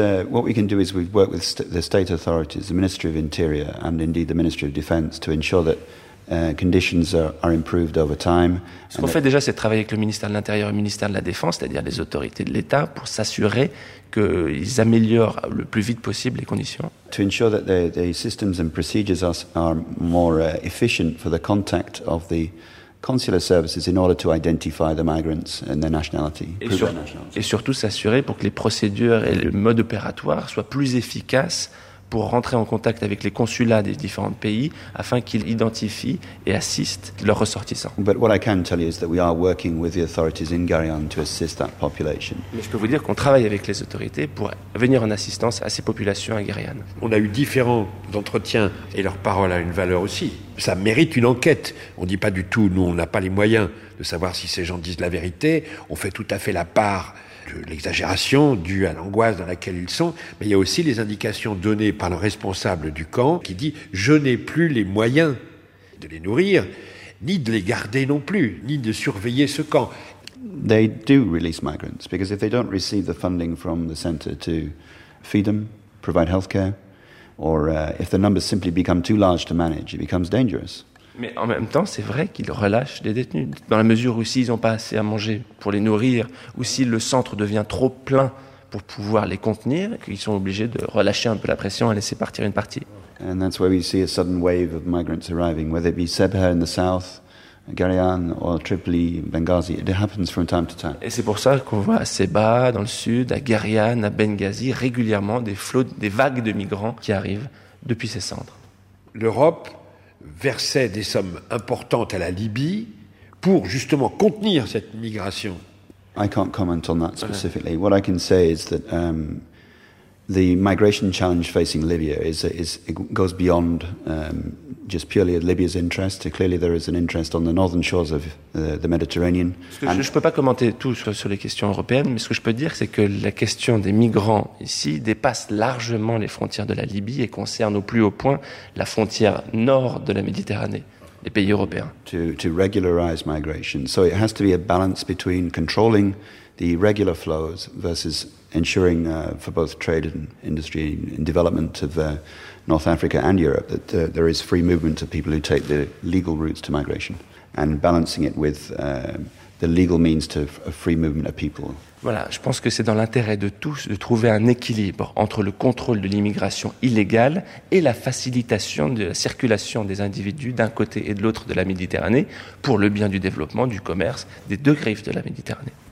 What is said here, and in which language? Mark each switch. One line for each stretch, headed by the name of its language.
English: What we can do is we work with the state authorities, the Ministry of Interior and indeed the Ministry of Defense to ensure that conditions are improved over time.
French: Ce qu'on fait déjà, c'est de travailler avec le ministère de l'Intérieur et le ministère de la Défense, c'est-à-dire les autorités de l'État, pour s'assurer qu'ils améliorent le plus vite possible les conditions.
English: To ensure that the systems and procedures are more efficient for the contact of the consular services in order to identify the migrants and their nationality.
French: Et surtout s'assurer pour que les procédures et le mode opératoire soient plus efficaces pour rentrer en contact avec les consulats des différents pays afin qu'ils identifient et assistent leurs ressortissants.
English: But what I can tell you is that we are working with the authorities in Guériane to assist that population.
French: Mais je peux vous dire qu'on travaille avec les autorités pour venir en assistance à ces populations à Guériane. On a eu différents entretiens et leur parole a une valeur aussi. Ça mérite une enquête. On ne dit pas du tout, nous on n'a pas les moyens de savoir si ces gens disent la vérité. On fait tout à fait la part de l'exagération due à l'angoisse dans laquelle ils sont, mais il y a aussi les indications données par le responsable du camp qui dit « je n'ai plus les moyens de les nourrir, ni de les garder non plus, ni de surveiller ce camp ».
English: They do release migrants, because if they don't receive the funding from the center to feed them, provide healthcare, or if the numbers simply become too large to manage, it becomes dangerous.
French: Mais en même temps, c'est vrai qu'ils relâchent les détenus, dans la mesure où s'ils n'ont pas assez à manger pour les nourrir, ou si le centre devient trop plein pour pouvoir les contenir, qu'ils sont obligés de relâcher un peu la pression et laisser partir une partie.
English: And that's why we see a sudden wave of migrants arriving, whether it be Sebha in the south, Guériane or Tripoli, Benghazi, it happens from time to time.
French: Et c'est pour ça qu'on voit à Sebha, dans le sud, à Guériane, à Benghazi, régulièrement des flots, des vagues de migrants qui arrivent depuis ces centres. L'Europe versait des sommes importantes à la Libye pour justement contenir cette migration.
English: I can't comment on that specifically. What I can say is that the migration challenge facing Libya is it goes beyond just purely Libya's interest. Clearly there is an interest on the northern shores of the Mediterranean.
French: Je ne peux pas commenter tout sur les questions européennes, mais ce que je peux dire, c'est que la question des migrants ici dépasse largement les frontières de la Libye et concerne au plus haut point la frontière nord de la Méditerranée, les pays européens.
English: To regularize migration. So it has to be a balance between controlling the regular flows versus ensuring for both trade and industry and development of North Africa and Europe that there is free movement of people who take the legal routes to migration and balancing it with the legal means to a free movement of people.
French: Voilà, je pense que c'est dans l'intérêt de tous de trouver un équilibre entre le contrôle de l'immigration illégale et la facilitation de la circulation des individus d'un côté et de l'autre de la Méditerranée pour le bien du développement du commerce des deux griffes de la Méditerranée.